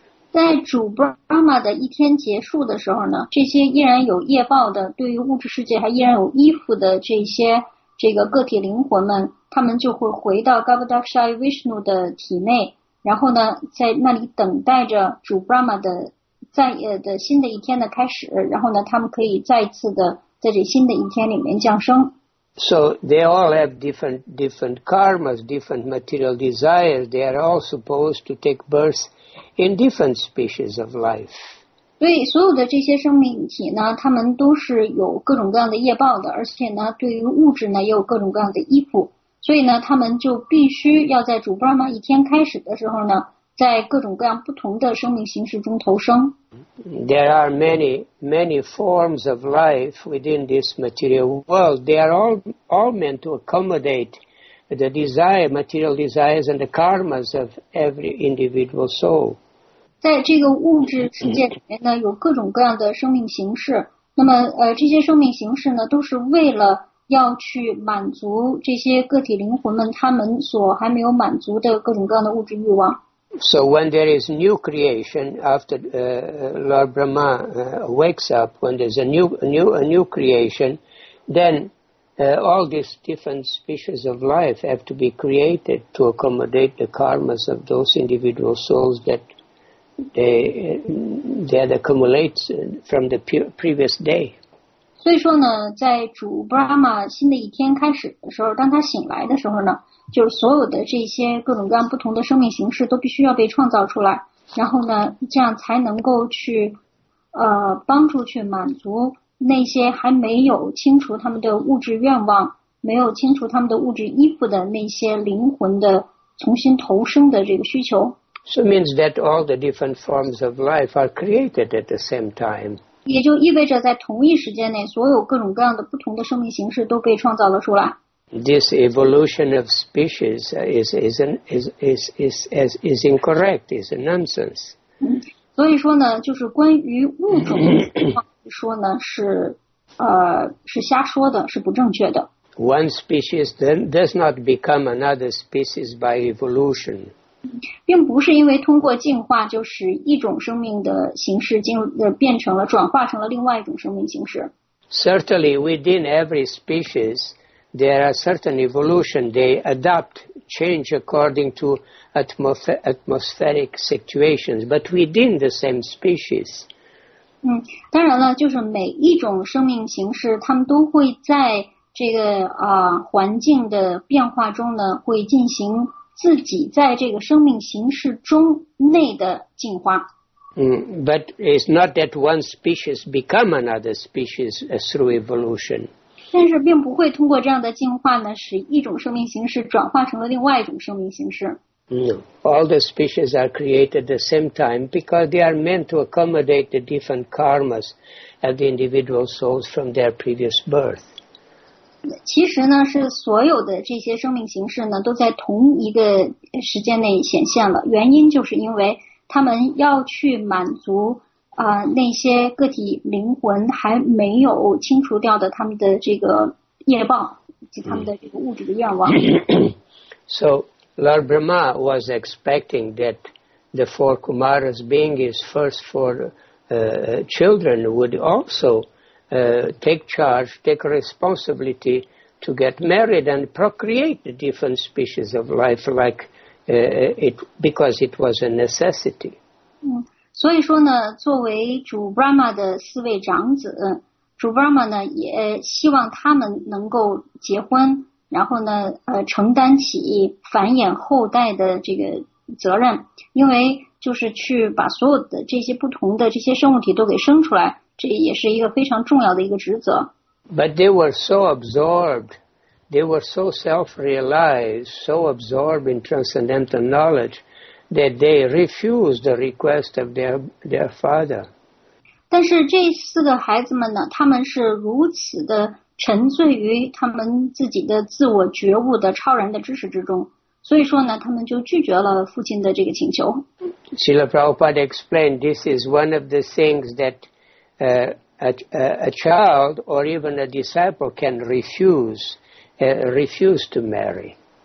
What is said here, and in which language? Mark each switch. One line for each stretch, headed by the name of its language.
Chinese: 在主 Brahma 的一天结束的时候呢，这些依然有业报的，对于物质世界还依然有依附的这个个体灵魂们，他们就会回到 Garbhodakshaya Vishnu 的体内，然后呢，在那里等待着主 Brahma 的新的一天的开始，然后呢，他们可以再次的在这新的一天里面降生。
English: So they all have different karmas, different material desires. They are all supposed to take birth in different species of life.
Chinese: 对所有的这些生命体呢，他们都是有各种各样的业报的，而且呢，对于物质呢，也有各种各样的依附。所以呢，他们就必须要在主Brahma一天开始的时候呢，在各种各样不同的生命形式中投生。
English: There are many, many forms of life within this material world. They are all meant to accommodate the desire, material desires and the karmas of every individual soul.
Chinese: 在这个物质世界里面呢，有各种各样的生命形式。那么，这些生命形式呢，都是为了要去满足这些个体灵魂们他们所还没有满足的各种各样的物质欲望。
English: So when there is new creation after Lord Brahma wakes up, when there's a new creation, then all these different species of life have to be created to accommodate the karmas of those individual souls that they had accumulated from the previous day.
Chinese: 所以说呢，在主 Brahma 新的一天开始的时候，当他醒来的时候呢。就是所有的这些各种各样不同的生命形式都必须要被创造出来，然后呢，这样才能够去，帮助去满足那些还没有清除他们的物质愿望、没有清除他们的物质依附的那些灵魂的重新投生的这个需求。
English: So means that all the different forms of life are created at the same time.
Chinese: 也就意味着在同一时间内，所有各种各样的不同的生命形式都被创造了出来。
English: This evolution of species is incorrect. Is a nonsense.
Chinese: 所以说呢，就是关于物种说呢是瞎说的，是不正确的。
English: One species then does not become another species by evolution.
Chinese: 并不是因为通过进化，就是一种生命的形式变成了转化成了另外一种生命形式。
English: Certainly, within every species. There are certain evolution. They adapt, change according to atmospheric situations. But within the same species,
Chinese: 当然了，就是每一种生命形式，它们都会在这个环境的变化中呢，会进行自己在这个生命形式中内的进化。
English: But it's not that one species become another species through evolution.
Chinese: 但是并不会通过这样的进化呢，使一种生命形式转化成了另外一种生命形式。
English: No, all the species are created at the same time because they are meant to accommodate the different karmas of the individual souls from their previous birth.
Chinese: 其实呢，是所有的这些生命形式呢，都在同一个时间内显现了。原因就是因为他们要去满足。那些个体灵魂还没有清除掉的他们的这个业报及他们的这个物质的愿望。
English: So Lord Brahma was expecting that the four Kumaras being his first four children would also take charge, take responsibility to get married and procreate the different species of life like it because it was a necessity.
Chinese: 所以说呢，作为主 Brahma 的四位长子，主 Brahma 呢也希望他们能够结婚，然后呢，承担起繁衍后代的这个责任，因为就是去把所有的这些不同的这些生物体都给生出来，这也是一个非常重要的一个职责。
English: But they were so absorbed, they were so self-realized, so absorbed in transcendental knowledge. That they refused the request of their father.
Chinese: 但是这四个孩子们呢，他们是如此的沉醉于他们自己的自我觉悟的超然的知识之中，所以说呢，他们就拒绝了父亲的这个请求。
English: Srila Prabhupada explained this is one of the things that a child or even a disciple can refuse to marry.